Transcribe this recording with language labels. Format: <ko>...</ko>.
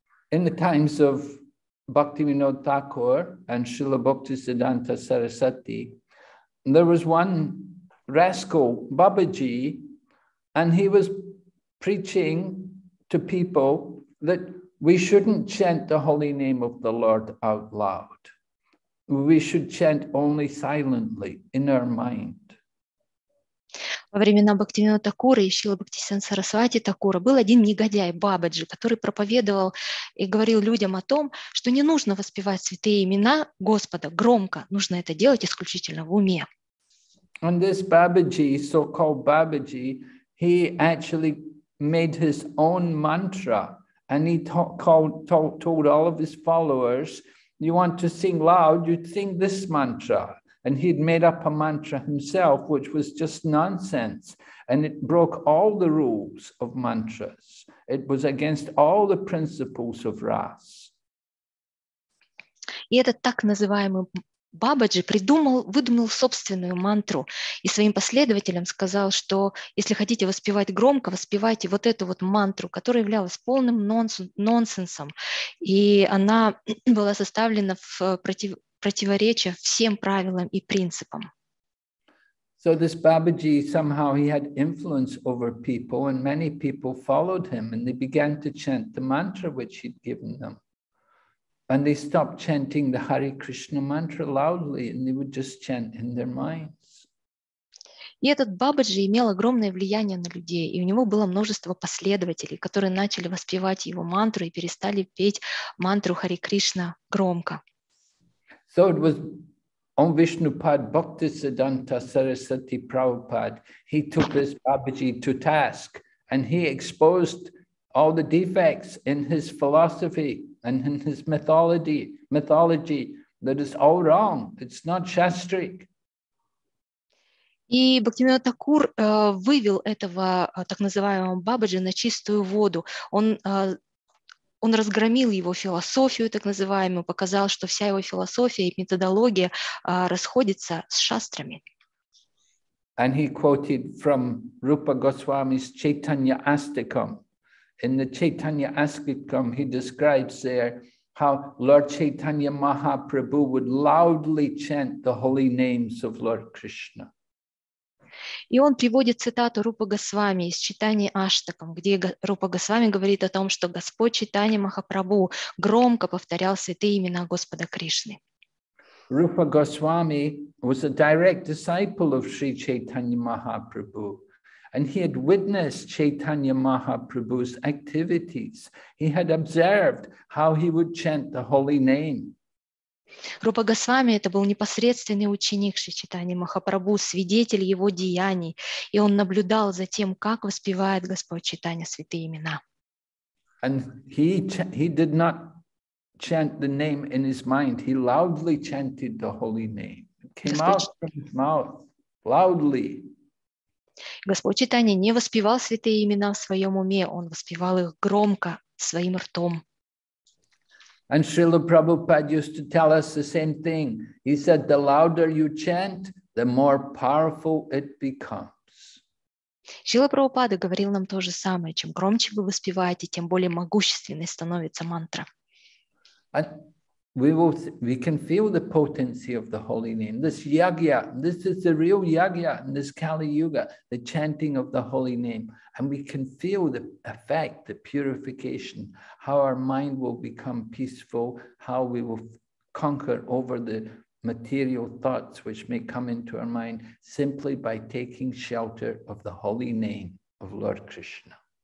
<en>In the times of Bhaktivinoda Thakur and Srila Bhaktisiddhanta Sarasvati, there was one rascal, Babaji, and he was preaching to people that we shouldn't chant the holy name of the Lord out loud. We should chant only silently in our mind.</en> <ru>Во времена Бхактивинода Такура и Шрилы Бхактисиддханты Сарасвати Такура был один негодяй Бабаджи, который проповедовал и говорил людям о том, что не нужно воспевать святые имена Господа громко, нужно это делать исключительно в уме.</ru> <en>And this Babaji, so-called Babaji, he actually made his own mantra, and he told all of his followers, you want to sing loud, you sing this mantra. And he'd made up a mantra himself, which was just nonsense. And it broke all the rules of mantras. It was against all the principles of RAS.</en> <ru>И этот так называемый Бабаджи выдумал собственную мантру и своим последователям сказал, что если хотите воспевать громко, воспевайте вот эту вот мантру, которая являлась полным нонсенсом. И она была составлена в противоречия всем правилам и принципам.</ru> <en>So this Babaji, somehow he had influence over people, and many people followed him, and they began to chant the mantra which he'd given them. And they stopped chanting the Hare Krishna mantra loudly, and they would just chant in their minds.</en> <ru>И этот Бабаджи имел огромное влияние на людей, и у него было множество последователей, которые начали воспевать его мантру и перестали петь мантру Хари Кришна громко.</ru> <en>So it was Om Vishnupad Bhaktisiddhanta Sarasvati Prabhupada. He took this Babaji to task and he exposed all the defects in his philosophy and in his mythology that is all wrong. It's not shastric.</en> <ru>И Бхактивинода Такур вывел этого так называемого Бабаджи на чистую воду. Он разгромил его философию, так называемую, показал, что вся его философия и методология расходятся с шастрами.</ru> <en>And he quoted from Rupa Goswami's Chaitanya Astikam. In the Chaitanya Astikam, he describes there how Lord Chaitanya Mahaprabhu would loudly chant the holy names of Lord Krishna.</en> <ru>И он приводит цитату Рупа Госвами из Читания Аштакам, где Рупа Госвами говорит о том, что Господь Читания Махапрабху громко повторял святые имена Господа Кришны.</ru> <en>Rupa Goswami was a direct disciple of Sri Chaitanya Mahaprabhu, and he had witnessed Chaitanya Mahaprabhu's activities. He had observed how he would chant the holy name.</en> <ru>Рупа Госвами – это был непосредственный ученик Шри Чайтаньи Махапрабху, свидетель его деяний, и он наблюдал за тем, как воспевает Господь Чайтанья святые имена.</ru> <en>And he did not chant the name in his mind. He loudly chanted the holy name. It came out from his mouth loudly.</en> <ru>Господь Чайтанья не воспевал святые имена в своем уме, он воспевал их громко своим ртом.</ru> <en>And Srila Prabhupada used to tell us the same thing. He said, the louder you chant, the more powerful it becomes.</en> <ru>Srila Prabhupada говорил нам то же самое. Чем громче вы воспеваете, тем более могущественной становится мантра.</ru> <en>And we can feel the potency of the holy name. This yagya, this is the real yagya in this Kali Yuga, the chanting of the holy name. And we can feel the effect, the purification, how our mind will become peaceful, how we will conquer over the material thoughts which may come into our mind simply by taking shelter of the holy name of Lord Krishna.</en>